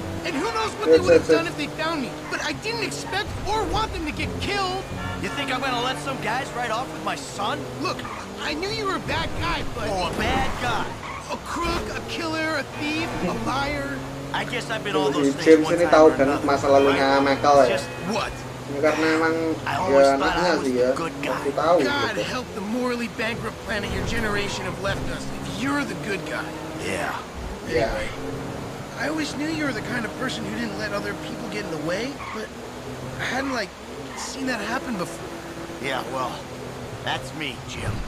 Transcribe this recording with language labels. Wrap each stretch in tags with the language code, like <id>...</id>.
<en>And who knows what they would have done if they found me. But I didn't expect or want them to get killed. You think I'm gonna let some guys ride off with my son? Look, I knew you were a bad guy, but... Oh, a bad guy. A crook, a killer, a thief, a liar. I guess I've been all those things one time or another.</en> <id>Masa lalunya Michael, ya.</id> <en>What?</en> <id>Karena emang ya anaknya sih ya, aku tahu.</id> <en>God help the morally bankrupt planet your generation have left us. If you're the good guy. Yeah. Anyway, I always knew you were the kind of person who didn't let other people get in the way, but I hadn't like seen that happen before. Yeah, well, That's me, Jim.</en>